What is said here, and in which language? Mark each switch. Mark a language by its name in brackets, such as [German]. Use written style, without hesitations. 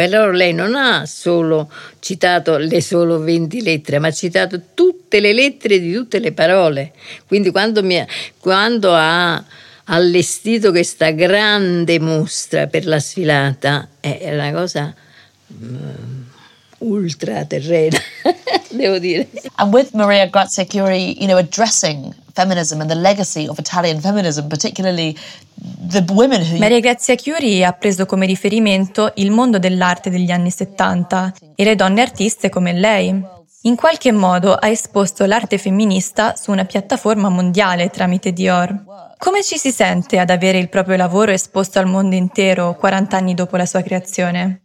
[Italian] Però lei non ha solo citato le solo 20 lettere, ma ha citato tutte le lettere di tutte le parole. Quindi quando ha allestito questa grande mostra per la sfilata, è una cosa ultra terrena, devo dire. [English] And with Maria Grazia Chiuri, you know, addressing feminism and the legacy of Italian feminism, particularly the women who... [Italian] Maria Grazia Chiuri ha preso come riferimento il mondo dell'arte degli anni 70 e le donne artiste come lei. In qualche modo ha esposto l'arte femminista su una piattaforma mondiale tramite Dior. Come ci si sente ad avere il proprio lavoro esposto al mondo intero 40 anni dopo la sua creazione?